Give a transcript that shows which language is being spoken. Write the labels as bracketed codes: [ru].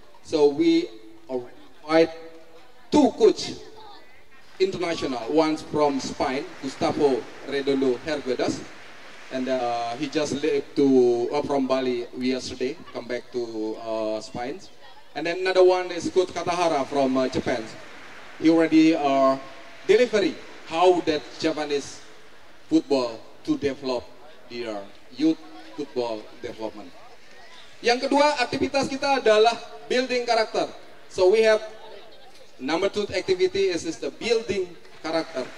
[en] So we invite 2 coach international, one from Spain, Gustavo Redondo Herguedas, and he just left to from Bali yesterday, come back to Spain. And then another one is Coach Katahara from Japan. He already delivery how that Japanese football to develop their youth football development. [id] Yang kedua, aktivitas kita adalah [en] building character. So we have number 2 activity is the building character.